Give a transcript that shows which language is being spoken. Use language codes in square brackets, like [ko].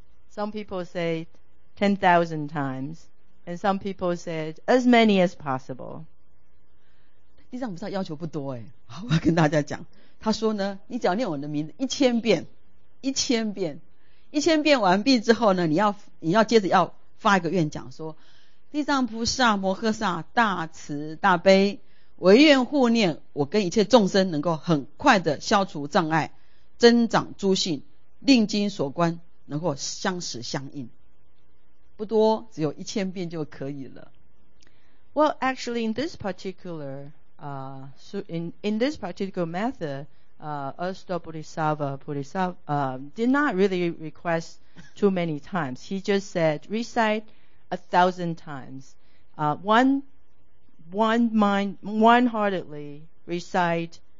[en] Some people say 10,000 times, and some people said as many as possible. [zh] 地藏菩萨要求不多哎，好，我跟大家讲，他说呢，你只要念我的名字一千遍完毕之后呢，你要接着要发一个愿，讲说，地藏菩萨摩诃萨大慈大悲。唯愿护念我跟一切众生能够很快的消除障碍，增长诸性，令经所观能够相识相应，不多，只有一千遍就可以了。 [en] Well, actually, in this particular, method, Bodhisattva did not really request too many times. He just said recite 1,000 times. One mind, one heartedly recite